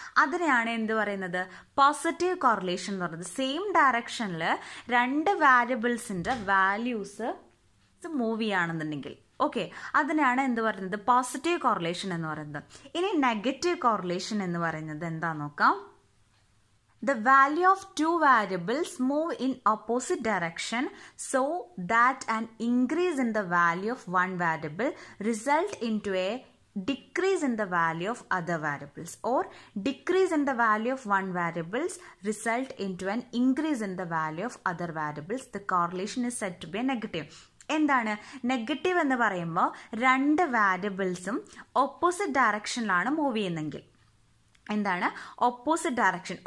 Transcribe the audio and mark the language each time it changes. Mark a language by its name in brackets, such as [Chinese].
[Malayalam] അതിനെയാണ് എന്ത് പറയുന്നത്, പോസിറ്റീവ് കോറിലേഷൻ എന്ന് പറയുന്നത്. സെയിം ഡയറക്ഷനിൽ രണ്ട് വേരിയബിൾസിന്റെ വാല്യൂസ് മൂവ് ചെയ്യാണെന്നുണ്ടെങ്കിൽ ഓക്കെ അതിനെയാണ് എന്ത് പറയുന്നത്, പോസിറ്റീവ് കോറിലേഷൻ എന്ന് പറയുന്നത്. ഇനി നെഗറ്റീവ് കോറിലേഷൻ എന്ന് പറയുന്നത് എന്താ നോക്കാം. [English] The value of two variables move in opposite direction so that an increase in the value of one variable result into a decrease in the value of other variables or decrease in the value of one variables result into an increase in the value of other variables. The correlation is said to be negative. [Malayalam] എന്താണ് negative എന്ന് പറയുമ്പോൾ രണ്ട് വാരിയബിൾസും opposite ഡയറക്ഷനിലാണ് move ചെയ്യുന്നതെങ്കിൽ എന്താണ് opposite direction.